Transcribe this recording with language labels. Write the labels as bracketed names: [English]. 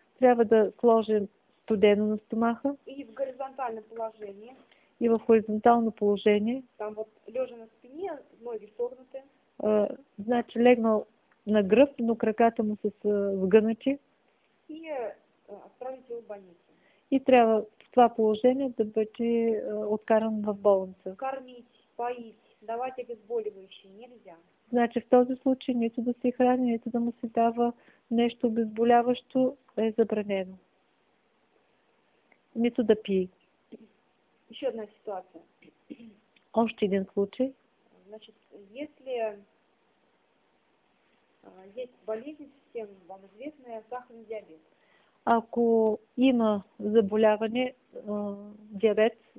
[Bulgarian] Трябва да сложим студено на стомаха. [Russian] И в горизонтальном положении. [Bulgarian] И в хоризонтално положение. [Russian] Там вот лежа на спине, ноги согнуты. [Bulgarian] Легнал на гръб, но краката му са сгънати. [Russian] И отправите в болницу. [Bulgarian] И трябва в това положение да бъде откаран в болница. [Russian] Кормить, поить, давать обезболивающие нельзя. [Bulgarian] В този случай нито да се храни, нито да му се дава нещо обезболяващо е забранено. Нито да пие. [Russian] Еще одна ситуация. [Bulgarian] Още един случай. [Russian] Если есть болезнь всем вам известная, сахарный диабет. [Bulgarian] Ако има заболяване, диабет,